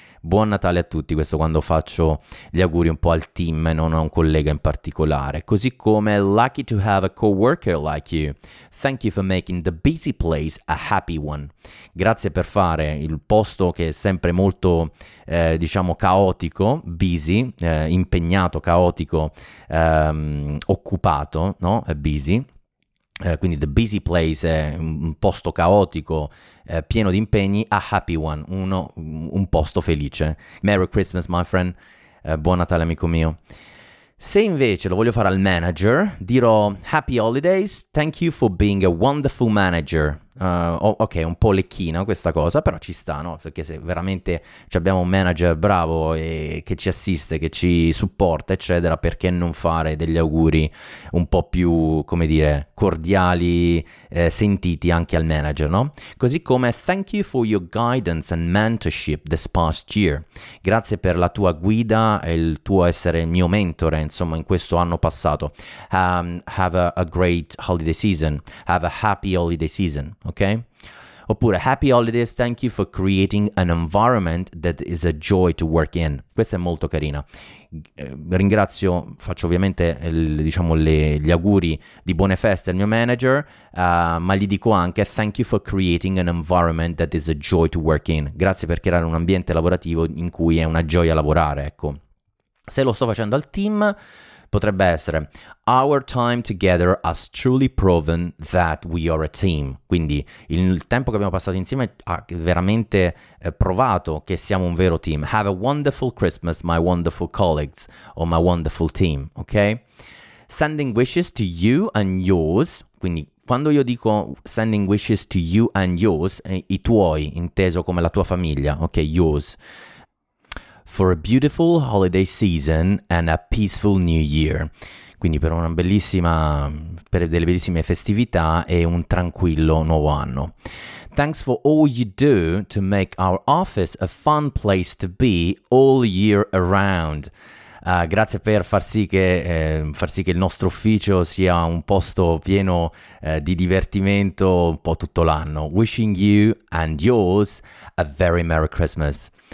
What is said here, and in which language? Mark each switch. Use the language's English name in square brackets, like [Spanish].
[Italian] Buon Natale a tutti, questo quando faccio gli auguri un po' al team e non a un collega in particolare. Così come, [English] lucky to have a co-worker like you. Thank you for making the busy place a happy one. [Italian] Grazie per fare il posto che è sempre molto, caotico, busy, impegnato, caotico, occupato, no? Busy. Quindi [English] the busy place [Italian] è un posto caotico, pieno di impegni, [English] a happy one, [Italian] un posto felice. [English] Merry Christmas, my friend. [Italian] Buon Natale, amico mio. Se invece lo voglio fare al manager, dirò [English] happy holidays, thank you for being a wonderful manager. [Italian] Ok, un po' lecchina questa cosa, però ci sta, no? Perché se veramente abbiamo un manager bravo e che ci assiste, che ci supporta, eccetera, perché non fare degli auguri un po' più, come dire, cordiali, sentiti anche al manager, no? Così come [English] thank you for your guidance and mentorship this past year. [Italian] Grazie per la tua guida e il tuo essere il mio mentore, insomma, in questo anno passato. [English] Have a great holiday season. Have a happy holiday season. Okay? [Italian] Oppure [English] happy holidays, thank you for creating an environment that is a joy to work in. [Italian] Questa è molto carina. Ringrazio, faccio ovviamente gli auguri di buone feste al mio manager, ma gli dico anche [English] thank you for creating an environment that is a joy to work in. [Italian] Grazie per creare un ambiente lavorativo in cui è una gioia lavorare, ecco. Se lo sto facendo al team, potrebbe essere [English] our time together has truly proven that we are a team. [Italian] Quindi il tempo che abbiamo passato insieme ha veramente provato che siamo un vero team. [English] Have a wonderful Christmas, my wonderful colleagues, or my wonderful team, ok? Sending wishes to you and yours. [Italian] Quindi quando io dico [English] sending wishes to you and yours, [Italian] i tuoi, inteso come la tua famiglia, ok, [English] yours. For a beautiful holiday season and a peaceful new year. [Italian] Quindi per una bellissima, per delle bellissime festività e un tranquillo nuovo anno. [English] Thanks for all you do to make our office a fun place to be all year around. [Italian] Grazie per far sì che il nostro ufficio sia un posto pieno di divertimento un po' tutto l'anno. [English] Wishing you and yours a very Merry Christmas.